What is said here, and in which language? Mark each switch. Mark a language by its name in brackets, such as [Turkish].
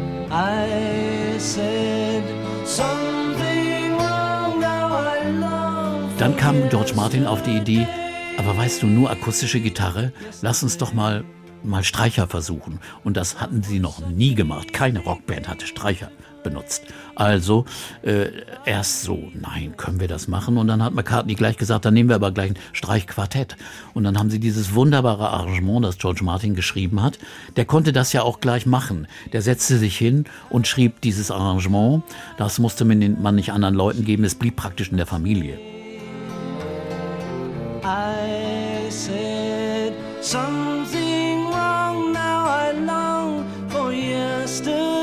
[English] I said something wrong, now I love. [German] Dann kam George Martin auf die Idee, aber weißt du, nur akustische Gitarre? Lass uns doch mal Streicher versuchen. Und das hatten sie noch nie gemacht. Keine Rockband hatte Streicher. benutzt. Also erst so, nein, können wir das machen? Und dann hat McCartney gleich gesagt, dann nehmen wir aber gleich ein Streichquartett. Und dann haben sie dieses wunderbare Arrangement, das George Martin geschrieben hat. Der konnte das ja auch gleich machen. Der setzte sich hin und schrieb dieses Arrangement. Das musste man nicht anderen Leuten geben. Es blieb praktisch in der Familie. [English] I said something wrong, now I long for yesterday.